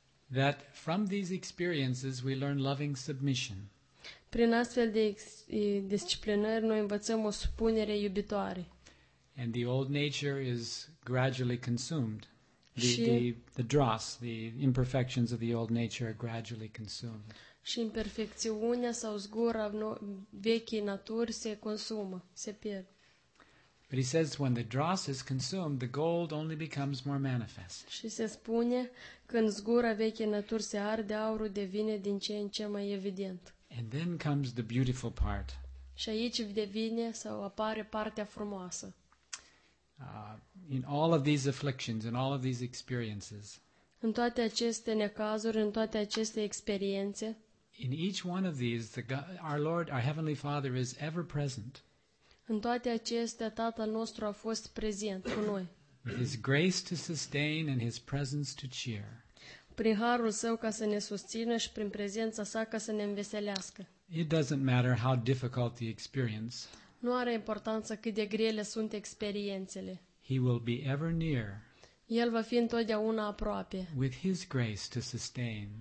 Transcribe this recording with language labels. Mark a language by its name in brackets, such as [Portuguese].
[English] That from these experiences we learn loving submission. [Romanian] Prin astfel de disciplinări noi învățăm o supunere iubitoare. [English] And the old nature is gradually consumed. The dross, the imperfections of the old nature are gradually consumed. [Romanian] Și imperfecțiunea sau zgura vechii naturi se consumă, se pierd. [English] But he says when the dross is consumed, the gold only becomes more manifest. [Romanian] Și se spune când zgura vechii naturi se arde, aurul devine din ce în ce mai evident. [English] And then comes the beautiful part. [Romanian] Și aici devine sau apare partea frumoasă. [English] In all of these afflictions, in all of these experiences. [Romanian] În toate aceste necazuri, în toate aceste experiențe. [English] In each one of these, our Lord, our Heavenly Father is ever present. [Romanian] În toate acestea, Tatăl nostru a fost prezent cu noi. [English] With His grace to sustain and His presence to cheer. [Romanian] Prin harul Său ca să ne susțină și prin prezența Sa ca să ne înveselească. [English] It doesn't matter how difficult the experience. [Romanian] Nu are importanță cât de grele sunt experiențele. [English] He will be ever near. [Romanian] El va fi întotdeauna aproape. [English] With His grace to sustain.